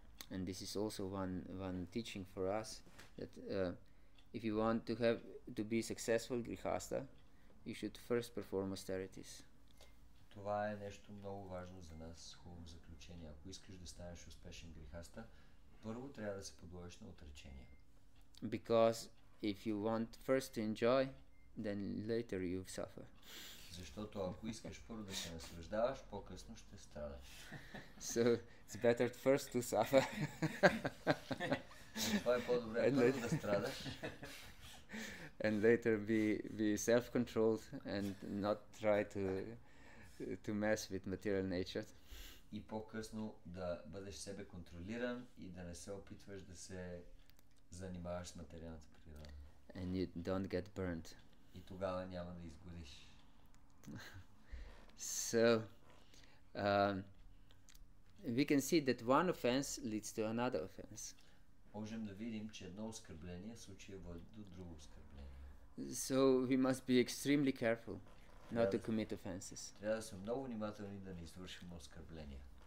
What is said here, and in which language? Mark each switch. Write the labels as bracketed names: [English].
[English] And this is also one teaching for us, that if you want to be successful grihastha, you should first perform austerities. [Bulgarian] Това е нещо много важно за нас, хубаво заключение. Ако искаш да станеш успешен грихастха, първо трябва да се подложиш на отречение. [English] Because if you want first to enjoy, then later you suffer. [Bulgarian] Защото ако искаш първо да се наслаждаваш, по-късно ще страдаш. [English] So, it's better first to suffer. [Bulgarian] Това е по-добре, първо да страдаш. [English] And later be self-controlled and not try to mess with material nature. [Bulgarian] И по-късно да бъдеш себе контролиран и да не се опитваш да се занимаваш с материалната природа. [English] And you don't get burned. [Bulgarian] И тогава няма да изгориш. [English] So we can see that one offense leads to another offense. [Bulgarian] Можем да видим, че едно оскърбление случая води до друго оскърбление. [English] So we must be extremely careful not to commit offenses. [Bulgarian] Трябва да сме много внимателни да не извършим оскърбления.